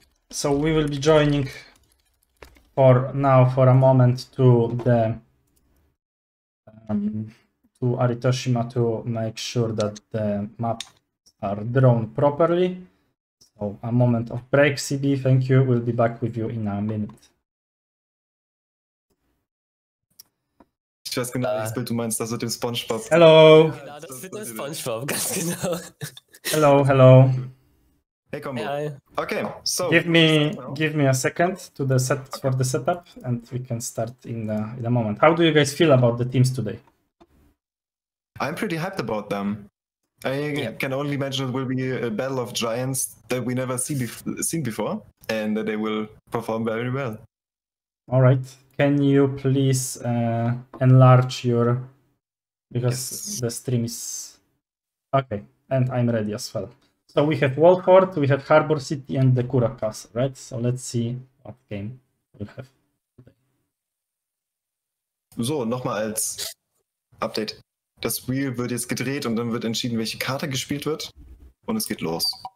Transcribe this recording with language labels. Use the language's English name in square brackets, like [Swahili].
[English] So we will be joining for now for a moment to the to Aritoshima to make sure that the maps are drawn properly. So a moment of break, CB, thank you. We'll be back with you in a minute. [German] Ich weiß genau, was Bild du meinst, das mit dem SpongeBob. [English] Hello! [German] Ja, das mit dem SpongeBob, ganz genau. [English] Hello, hello. Hey, Combo. Hey, okay, so. Give me a second to the set for the setup, and we can start in a moment. How do you guys feel about the teams today? I'm pretty hyped about them. I can only imagine it will be a battle of giants that we never seen before, and that they will perform very well. All right. Can you please enlarge your, because yes. The stream is, okay, and I'm ready as well. So we have Wolford, we have Harbor City and the Kura Castle, right? So let's see what game we'll have today. [German] So, nochmal als Update. Das Wheel wird jetzt gedreht und dann wird entschieden, welche Karte gespielt wird und es geht los.